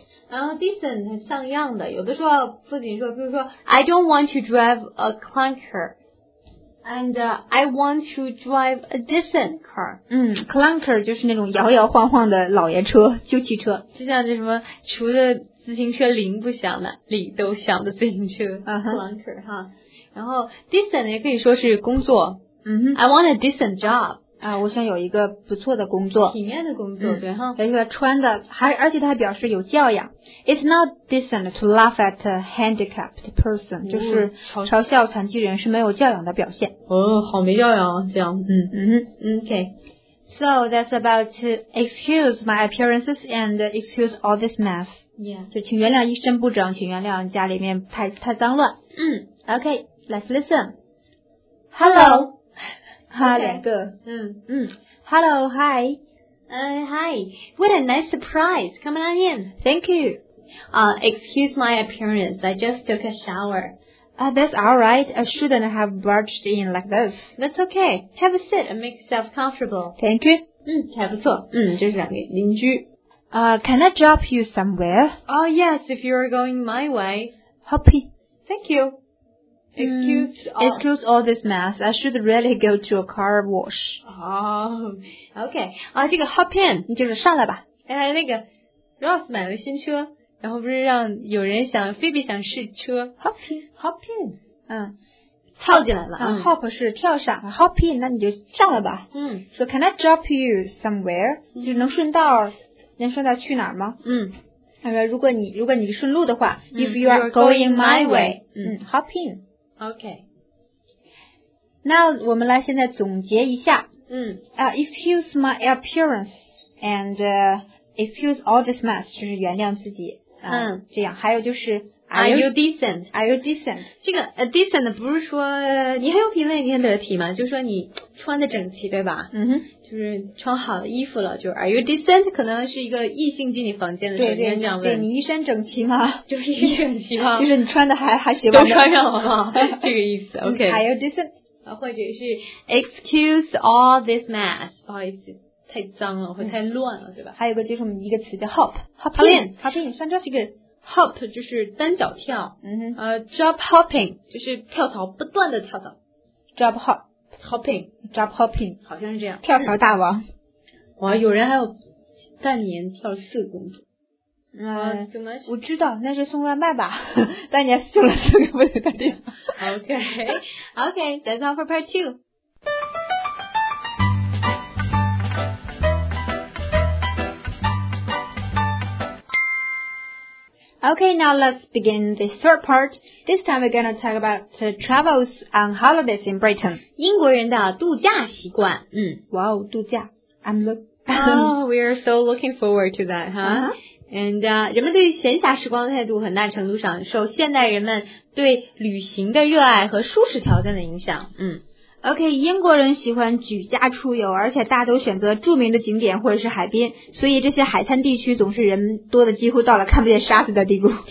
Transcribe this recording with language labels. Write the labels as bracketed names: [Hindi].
[Chinese] 然后 [English] decent [Chinese] 像样的有的时候不仅说，比如说 [English] I don't want to drive a clunker and I want to drive a decent car。 [Chinese] clunker 就是那种摇摇晃晃的老爷车，旧汽车，就像这什么除了自行车铃不响的，理都响的自行车 clunker 哈。然后 decent 也可以说是工作， [English] I want a decent job [Chinese] 啊，我想有一个不错的工作，体面的工作，对哈。而且穿的还，而且他还表示有教养。 [English] It's not decent to laugh at a handicapped person， [Chinese] 就是嘲笑残疾人是没有教养的表现。哦，好没教养啊，这样，Okay。 [English] So that's about to excuse my appearances and excuse all this mess. Yeah. [Chinese] 就请原谅一身不整，请原谅家里面太脏乱。 [English] Okay, let's listen. Hello. Hello, hi. Hi. What a nice surprise. Come on in. Thank you. Excuse my appearance. I just took a shower. That's alright. I shouldn't have barged in like this. That's okay. Have a seat and make yourself comfortable. Thank you. [Chinese] 还不错。这是两个邻居。 [English] Can I drop you somewhere? Oh, yes, if you're going my way. Happy. Thank you. Excuse all this mess. I should really go to a car wash. Oh, okay. [Chinese] 这个 [English] hop in, [Chinese] 你就是上来吧。那个 Ross 买了新车。然后不是让有人想菲比想试车 [English] Hop in [Chinese] 跳进来了。 Hop 是跳上， Hop in 那你就上了吧。说 [English] Can I drop you somewhere？ [Chinese] 就是能顺道去哪儿吗？他说如果你顺路的话， [English] If you are going my way， Hop in。 OK， [Chinese] 那我们来现在总结一下。 [English] Excuse my appearance and excuse all this mess， [Chinese] 就是原谅自己。这样还有就是 [English] Are you decent? Are you decent? [Chinese] 这个、decent 不是说你很有品味你很得体吗？就是说你穿的整齐对吧？嗯哼，就是穿好了衣服了，就是 [English] Are you decent? [Chinese] 可能是一个异性进你房间的时候你这样问。对，你衣衫整齐吗？就是衣衫整齐吗？就是你穿的还行吗？都穿上了吗？这个意思 OK。 [English] Are you decent? 或者是 Excuse all this mess, [Chinese] 不好意思。太脏了，会太乱了，对吧？还有一个就是我们一个词叫 [English] hop, hop in, [Chinese] 上车。这个 hop 就是单脚跳，嗯哼， [English] drop hopping [Chinese] 就是跳槽，不断的跳槽 [English] ，drop hopping, [Chinese] 好像是这样。跳槽大王，哇，有人还有半年跳四个工作，怎么？我知道，那是送外卖吧？半年送了四个不同的店。 [English] Okay, that's all for part two. Okay, now let's begin the third part. This time we're going to talk about travels on holidays in Britain. [Chinese] 英国人的度假习惯。 Wow, 度假。 [English] We are so looking forward to that, huh? [Chinese] And, 人们对闲暇时光的态度很大程度上受现代人们对旅行的热爱和舒适条件的影响。 Okay, 英国人喜欢举家出游，而且大都选择著名的景点或者是海边，所以这些海滩地区总是人多的几乎到了看不见沙子的地步。